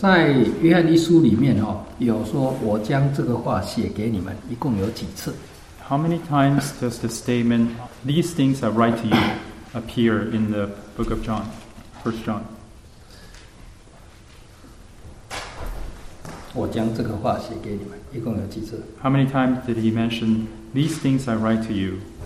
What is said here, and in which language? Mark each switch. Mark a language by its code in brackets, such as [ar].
[zh] 在约翰一书里面有说我将这个话写给你们，一共有几次 [en] ？How many times does the statement "these things I write to you" appear in the Book of John, First John？ [zh] 我将这个话写给你们，一共有几次 [en] ？How many times did he mention "these things I write to you"？